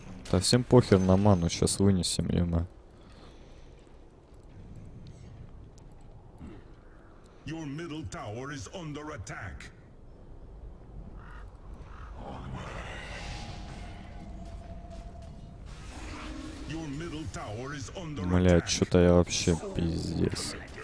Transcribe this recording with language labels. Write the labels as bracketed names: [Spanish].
[Russian] Да всем похер на ману, сейчас вынесем ему. [English] Your middle tower is under attack. Your middle tower is under attack. [Russian] Блять, что-то я вообще пиздец.